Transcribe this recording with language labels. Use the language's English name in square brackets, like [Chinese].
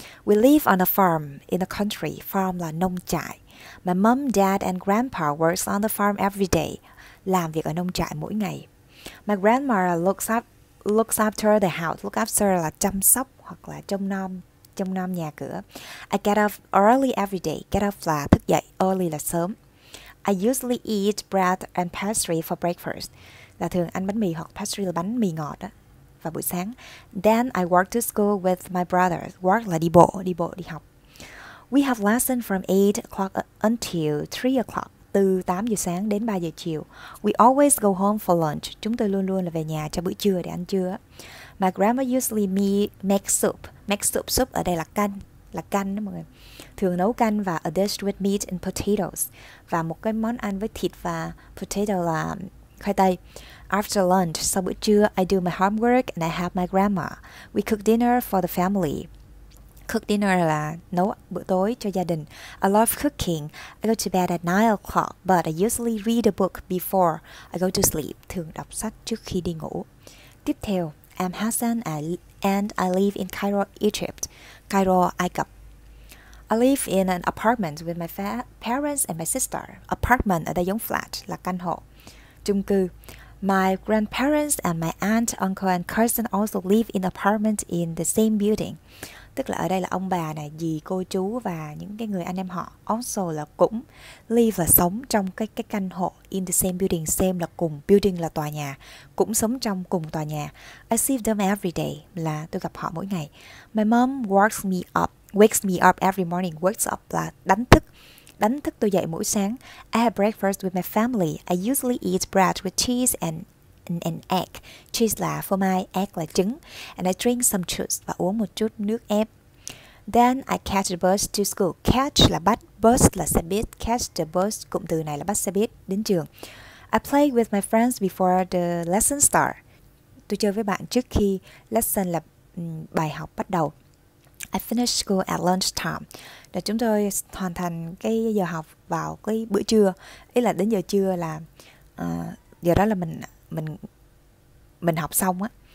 [English] We live on a farm in the country. Farm [Vietnamese] là nông trại. [English] My mom, dad and grandpa works on the farm every day. [Vietnamese] Làm việc ở nông trại mỗi ngày. [English] My grandma looks after the house. [Vietnamese] Look after là chăm sóc hoặc là trông nom nhà cửa. [English] I get up early every day. Get up [Vietnamese] là thức dậy. [English] Early [Vietnamese] là sớm. [English] I usually eat bread and pastry for breakfast. [Vietnamese] Là thường ăn bánh mì hoặc pastry là bánh mì ngọt đó vào buổi sáng. [English] Then I walk to school with my brothers. Walk [Vietnamese] là đi bộ, đi học. [English] We have lesson from 8 o'clock until 3 o'clock. [Vietnamese] Từ 8 giờ sáng đến 3 giờ chiều. [English] We always go home for lunch. [Vietnamese] Chúng tôi luôn luôn là về nhà cho bữa trưa để ăn trưa. [English] My grandma usually make soup. [Vietnamese] Make soup, soup ở đây là canh. Là canh đó mọi người. Thường nấu canh và [English] a dish with meat and potatoes. [Vietnamese] Và một cái món ăn với thịt và potato là khoai tây. [English] After lunch, [Vietnamese] sau bữa trưa, [English] I do my homework and I help my grandma. We cook dinner for the family. Cook dinner [Vietnamese] là nấu bữa tối cho gia đình. [English] I love cooking. I go to bed at 9 o'clock, but I usually read a book before I go to sleep. [Vietnamese] Thường đọc sách trước khi đi ngủ. Tiếp theo, [English] I'm Hassan and I live in Cairo, Egypt. Cairo, Ai Cập. I live in an apartment with my parents and my sister. [Vietnamese] Apartment ở đây giống flat, là căn hộ, chung cư. [English] My grandparents and my aunt, uncle and cousin also live in apartment in the same building. [Vietnamese] Tức là ở đây là ông bà này, dì, cô chú và những cái người anh em họ. Also là cũng, live là sống trong cái căn hộ. In the same building, same là cùng, building là tòa nhà. Cũng sống trong cùng tòa nhà. [English] I see them every day, [Vietnamese] là tôi gặp họ mỗi ngày. [English] My mom wakes me up every morning. [Vietnamese] Wakes up là đánh thức. Đánh thức tôi dậy mỗi sáng. [English] I have breakfast with my family. I usually eat bread with cheese and egg. [Vietnamese] Cheese là phô mai, egg là trứng. [English] And I drink some juice [Vietnamese] và uống một chút nước ép. [English] Then I catch the bus to school. Catch [Vietnamese] là bắt, [English] bus [Vietnamese] là xe buýt. [English] Catch the bus, [Vietnamese] cụm từ này là bắt xe buýt đến trường. [English] I play with my friends before the lesson start. [Vietnamese] Tôi chơi với bạn trước khi lesson là bài học bắt đầu. [English] I finish school at lunchtime. [Vietnamese] Là chúng tôi hoàn thành cái giờ học vào cái bữa trưa. Ý là đến giờ trưa là giờ đó là mình học xong á.